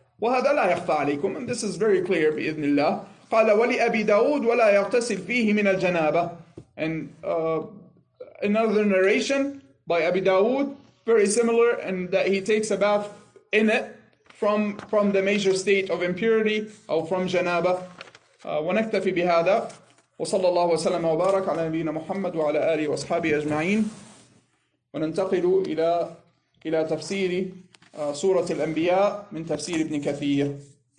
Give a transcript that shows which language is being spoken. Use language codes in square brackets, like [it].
[ar] وهذا لا يخفى عليكم. [en] And this is very clear [ar] بإذن الله. قال ولأبي داود ولا يغتسل فيه من الجنابة. [en] And another narration by Abi Dawood, very similar, and that he takes a bath in it from the major state of impurity or from جنابة. [ar] ونكتفي بهذا. وصلى الله وسلم وبارك على نبينا محمد وعلى آله وأصحابه أجمعين. وننتقل إلى تفسير سورة الأنبياء من تفسير ابن كثير.